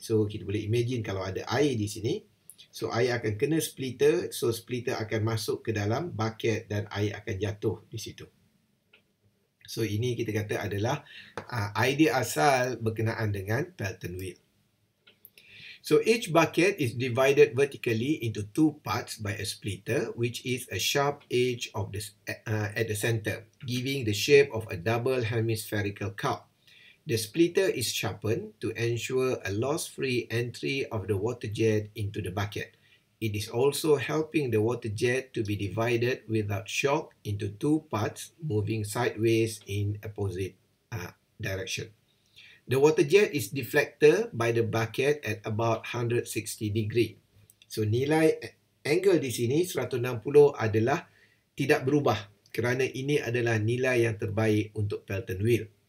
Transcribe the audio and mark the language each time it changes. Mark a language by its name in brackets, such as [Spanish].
[Malay] So kita boleh imagine kalau ada air di sini. So air akan kena splitter. So splitter akan masuk ke dalam bucket dan air akan jatuh di situ. So ini kita kata adalah idea asal berkenaan dengan Pelton wheel. [English] So each bucket is divided vertically into two parts by a splitter, which is a sharp edge of the at the center, giving the shape of a double hemispherical cup. The splitter is sharpened to ensure a loss-free entry of the water jet into the bucket. It is also helping the water jet to be divided without shock into two parts moving sideways in opposite direction. The water jet is deflected by the bucket at about 160 degrees. [Malay] So nilai angle di sini 160 adalah tidak berubah kerana ini adalah nilai yang terbaik untuk Pelton wheel.